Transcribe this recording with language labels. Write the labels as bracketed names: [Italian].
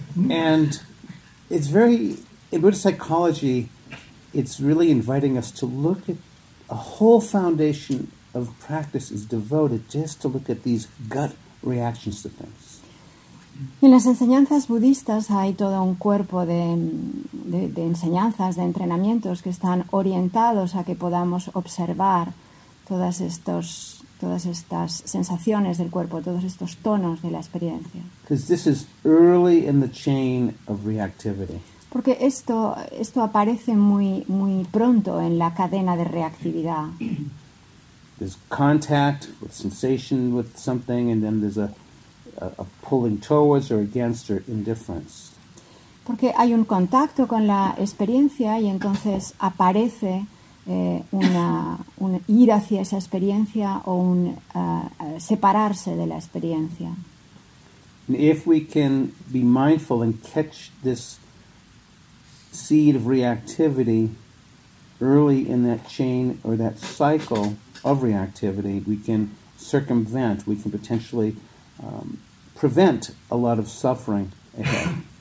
[English] And it's very, in Buddhist psychology, it's really inviting us to look at a whole foundation of practice is devoted just to look at these gut reactions to things. [Spanish] En las enseñanzas budistas hay todo un cuerpo de enseñanzas, de entrenamientos que están orientados a que podamos observar todas estas sensaciones del cuerpo, todos estos tonos de la experiencia. [English] Because this is early in the chain of reactivity. [Spanish] Porque esto aparece muy muy pronto en la cadena de reactividad. [English] There's contact with sensation with something, and then there's a pulling towards or against or indifference. [Spanish] Porque hay un contacto con la experiencia y entonces aparece un ir hacia esa experiencia o un separarse de la experiencia. [English] And if we can be mindful and catch this seed of reactivity early in that chain or that cycle of reactivity, we can circumvent, we can potentially prevent a lot of suffering ahead.